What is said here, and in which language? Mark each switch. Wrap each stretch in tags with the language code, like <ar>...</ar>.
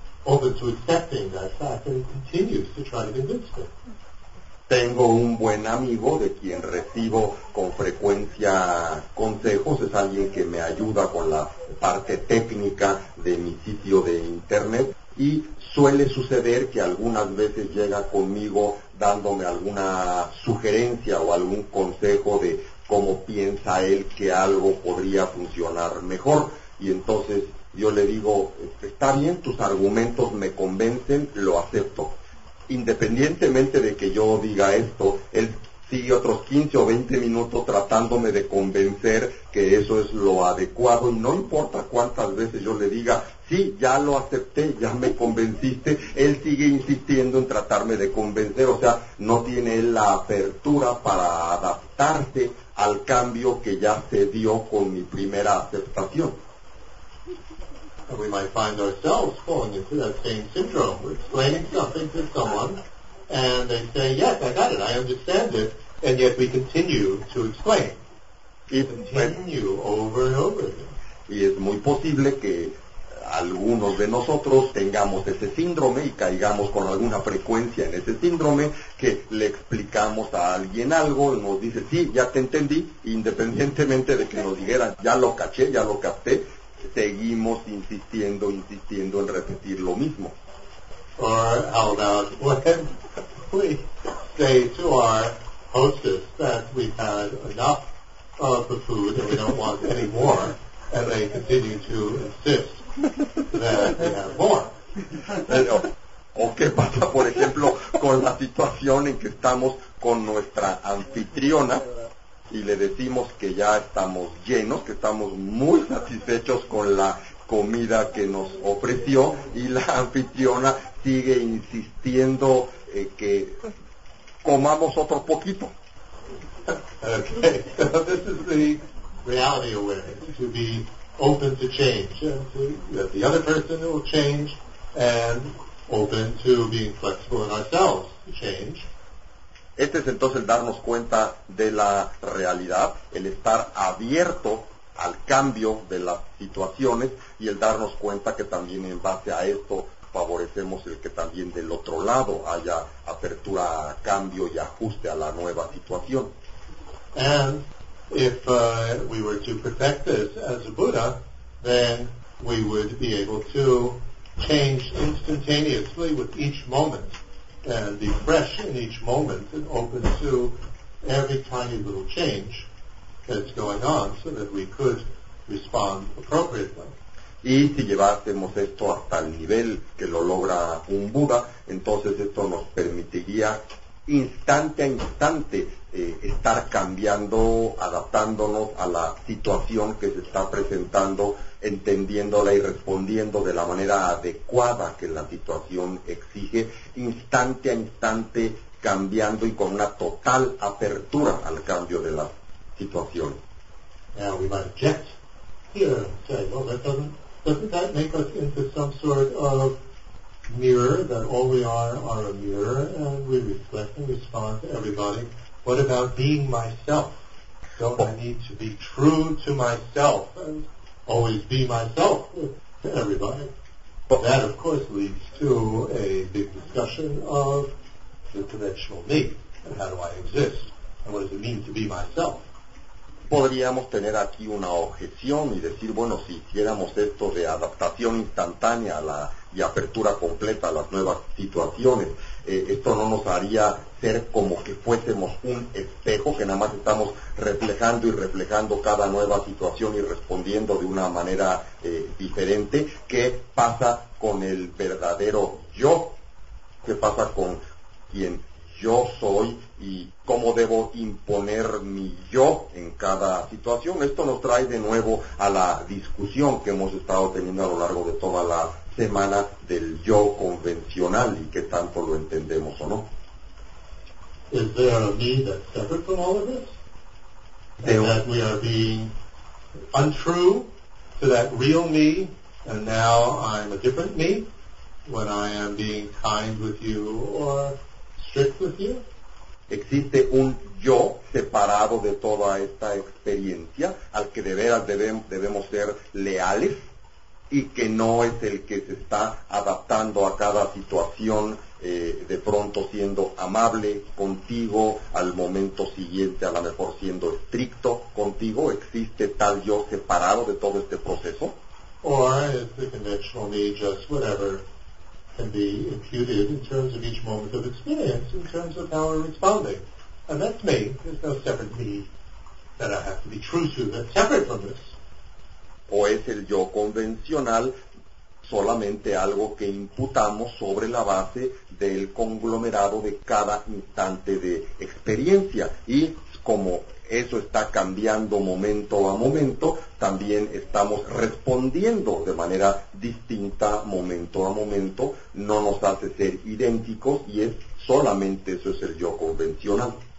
<en>open to accepting that fact, and he continues to try to convince me.</en> <es>Tengo un buen amigo de quien recibo con frecuencia consejos, es alguien que me ayuda con la parte técnica de mi sitio de internet, y suele suceder que algunas veces llega conmigo dándome alguna sugerencia o algún consejo de cómo piensa él que algo podría funcionar mejor, y entonces yo le digo, está bien, tus argumentos me convencen, lo acepto. Independientemente de que yo diga esto, él sigue otros 15 o 20 minutos tratándome de convencer que eso es lo adecuado, y no importa cuántas veces yo le diga, sí, ya lo acepté, ya me convenciste, él sigue insistiendo en tratarme de convencer, o sea, no tiene la apertura para adaptarse al cambio que ya se dio con mi primera aceptación.</es> <en>And we might find ourselves falling into that same syndrome. We're explaining something to someone, and they say, yes, I got it, I understand it, and yet we continue to explain. Over and over again.</en> <es>Y es muy posible que algunos de nosotros tengamos ese síndrome y caigamos con alguna frecuencia en ese síndrome, que le explicamos a alguien algo y nos dice, sí, ya te entendí, independientemente de que nos dijera, ya lo caché, ya lo capté, seguimos insistiendo en repetir lo mismo.</es> <en>Or how about when we say to our hostess that we've had enough of the food and we don't want any more, and they continue to insist that we have more.</en> <es>¿O qué pasa, por ejemplo, con la situación en que estamos con nuestra anfitriona y le decimos que ya estamos llenos, que estamos muy satisfechos con la comida que nos ofreció, y la anfitriona sigue insistiendo que comamos otro poquito?</es> <en>Okay, so this is the reality awareness, to be open to change, that the other person will change, and open to being flexible in ourselves to change.</en> <es>Este es entonces el darnos cuenta de la realidad, el estar abierto al cambio de las situaciones y el darnos cuenta que también en base a esto favorecemos el que también del otro lado haya apertura a cambio y ajuste a la nueva situación.</es> <en>And if we were to perfect this as a Buddha, then we would be able to change instantaneously with each moment. And be fresh in each moment and open to every tiny little change that's going on so that we could respond appropriately.</en> <es>Y si llevásemos esto hasta el nivel que lo logra un Buda, entonces esto nos permitiría instante a instante estar cambiando, adaptándonos a la situación que se está presentando, entendiéndola y respondiendo de la manera adecuada que la situación exige, instante a instante cambiando y con una total apertura al cambio de la situación.</es> <en>Now we might object here and say, well, doesn't that make us into some sort of mirror, that all we are a mirror and we reflect and respond to everybody? What about being myself? Don't I need to be true to myself and always be myself to everybody? But that, of course, leads to a big discussion of the conventional me and how do I exist and what does it mean to be myself.</en> <es>Podríamos tener aquí una objeción y decir, bueno, si hiciéramos esto de adaptación instantánea a la y apertura completa a las nuevas situaciones, esto no nos haría ser como que fuésemos un espejo, que nada más estamos reflejando y reflejando cada nueva situación y respondiendo de una manera diferente. ¿Qué pasa con el verdadero yo? ¿Qué pasa con quien yo soy y cómo debo imponer mi yo en cada situación? Esto nos trae de nuevo a la discusión que hemos estado teniendo a lo largo de toda la semana del yo convencional y qué tanto lo entendemos o no.</es> <en>Is there a me that's separate from all of this? That we are being untrue to that real me, and now I'm a different me when I am being kind with you or strict with you?</en> <es>¿Existe un yo separado de toda esta experiencia al que de veras debemos ser leales? y que no es el que se está adaptando a cada situación, de pronto siendo amable contigo, al momento siguiente a lo mejor siendo estricto contigo. ¿Existe tal yo separado de todo este proceso?</es> <en>Or is the conventional me just whatever can be imputed in terms of each moment of experience, in terms of how we're responding? And that's me. There's no separate me that I have to be true to that's separate from this.</en> <es>¿O es el yo convencional solamente algo que imputamos sobre la base del conglomerado de cada instante de experiencia? Y como eso está cambiando momento a momento, también estamos respondiendo de manera distinta momento a momento, no nos hace ser idénticos, y es solamente eso es el yo convencional.</es>